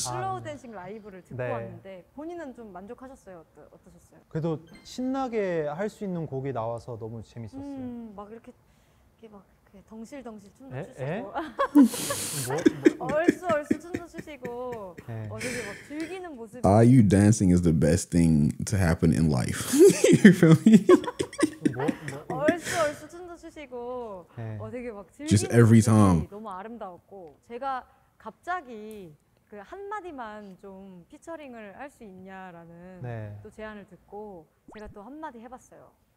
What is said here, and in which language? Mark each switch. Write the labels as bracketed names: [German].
[Korean] 슬로우 댄싱 라이브를 듣고 네. 왔는데 본인은 좀 만족하셨어요? 어떠셨어요? 그래도 신나게 할 수 있는 곡이 나와서 너무 재밌었어요. 막 이렇게 막 덩실덩실 춤도 추시고 얼쑤얼쑤 춤도 추시고 어디서 막 즐기는 모습. [English] Are you dancing is the best thing to happen in life. You feel me? [Korean] 얼쑤얼쑤 춤도 추시고 어디서 막 즐기는 [English] Just every time. [Korean] 너무 아름다웠고 제가 갑자기 그 한마디만 좀 피처링을 할 수 있냐라는 네. 또 제안을 듣고 제가 또 한마디 해봤어요.